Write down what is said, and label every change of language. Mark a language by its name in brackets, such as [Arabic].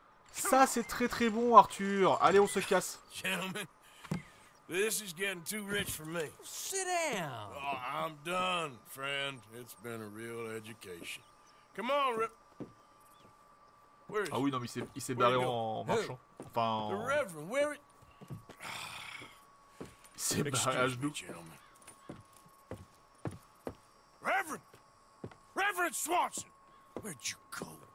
[French] Ça, c'est très très bon, Arthur. Allez, on se casse. [English] Gentlemen, this is getting too rich for me. Sit down. Oh, I'm done, friend. It's been a real education. Come on, Rip. Where is he? [French] Ah oui, non, mais il s'est barré en marchant. [English] Enfin... The Reverend, where it... [French] Il s'est barré à genoux. Gentlemen. [English] Reverend! Reverend Swanson! Where'd you go?